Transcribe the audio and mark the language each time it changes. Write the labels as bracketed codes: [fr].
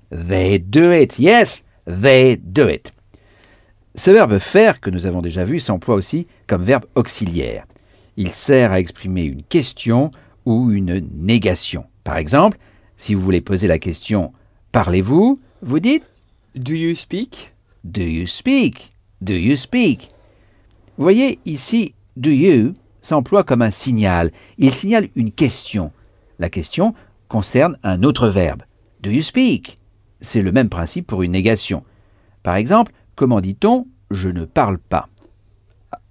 [en] They do it. Yes, they do it. [fr] Ce verbe faire que nous avons déjà vu s'emploie aussi comme verbe auxiliaire. Il sert à exprimer une question ou une négation. Par exemple, si vous voulez poser la question « parlez-vous ?» Vous dites [en] « Do you speak ?»« Do you speak ?»« Do you speak ?» [fr] Vous voyez, ici, « [en] do you [fr] » s'emploie comme un signal. Il signale une question. La question concerne un autre verbe. « [en] Do you speak ?» [fr] C'est le même principe pour une négation. Par exemple, comment dit-on « je ne parle pas ?»«